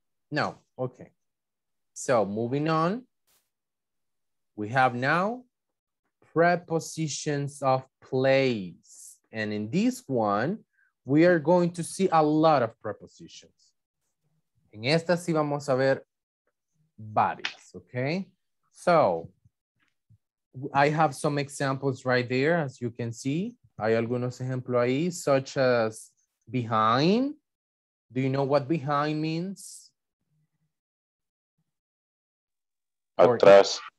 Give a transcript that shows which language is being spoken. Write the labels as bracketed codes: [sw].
[en] No. Okay. So moving on, we have now prepositions of place. And in this one, we are going to see a lot of prepositions. [es] En esta sí vamos a ver varias, okay? [en] So I have some examples right there, as you can see. [es] Hay algunos ejemplos ahí, [en] such as behind. Do you know what behind means? [es] Atrás.